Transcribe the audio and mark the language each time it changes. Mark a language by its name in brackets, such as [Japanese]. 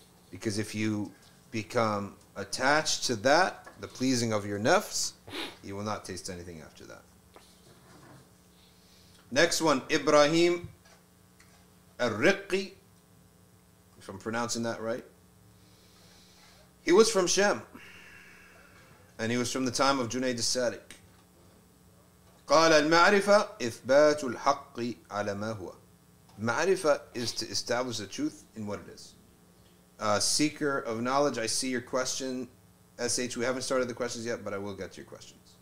[English] Because if you become attached to that, the pleasing of your nafs, you will not taste anything after that. Next one, Ibrahim al-Riqi, if I'm pronouncing that right. He was from Shem, and he was from the time of Junayd al-Sadiq. [Arabic] قال المعرفة إثبات الحق على ما هو. [English] معرفة is to establish the truth in what it is. Seeker of knowledge, I see your question. SH, we haven't started the questions yet, but I will get to your questions.